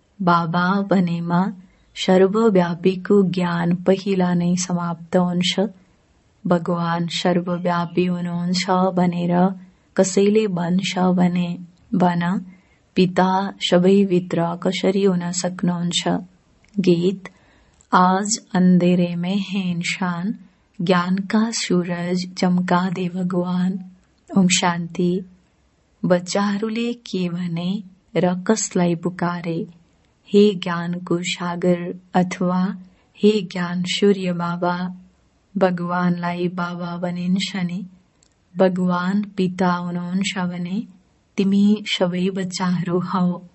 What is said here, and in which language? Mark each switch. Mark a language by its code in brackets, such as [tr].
[ne] बाबा भनेमा सर्वव्यापीको ज्ञान पहिला नै समाप्त हुन्छ। भगवान सर्वव्यापी हुनुहुन्छ भनेर कसैले भन्छ भने भन पिता सबैभित्र कसरी हुन सक्नुहुन्छ? [hi] गीत: आज अन्धेरे में है इंसान, ज्ञान का सूरज चमका दे भगवान। [ne] ओम शांति। बच्चाहरूले के भने र कसलाई पुकारे? हे ज्ञान को सागर अथवा हे ज्ञान सूर्य बाबा? भगवानलाई बाबा भनिन्छ नि, भगवान पिता हुनुहुन्छ भने तिमी सबै बच्चाहरू हौ।